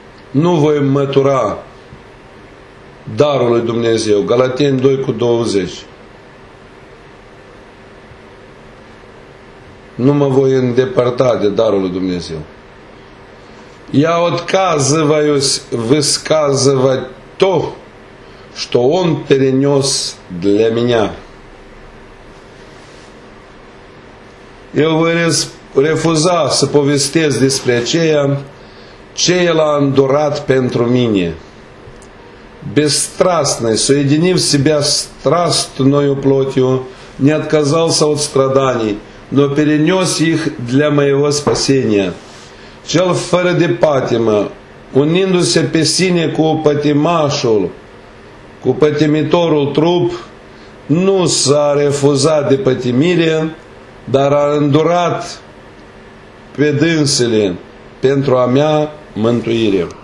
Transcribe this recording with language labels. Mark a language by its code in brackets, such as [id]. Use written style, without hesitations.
[ro] Nu voi mătura darul lui Dumnezeu. Galateni 2:20. Nu mă voi îndepărta de darul lui Dumnezeu. [ru] Я отказываюсь высказывать то, что он перенес для меня. [ro] Eu voi refuza să povestesc despre aceea ce el a îndurat pentru mine. [ru] Бесстрастный, соединив себя страстною плотью, не отказался от страданий, но перенес их для моего спасения. [ro] Cel fără de patimă, unindu-se pe sine cu pătimașul, cu pătimitorul trup, nu s-a refuzat de pătimire, dar a îndurat pe dânsele pentru a mea mântuire.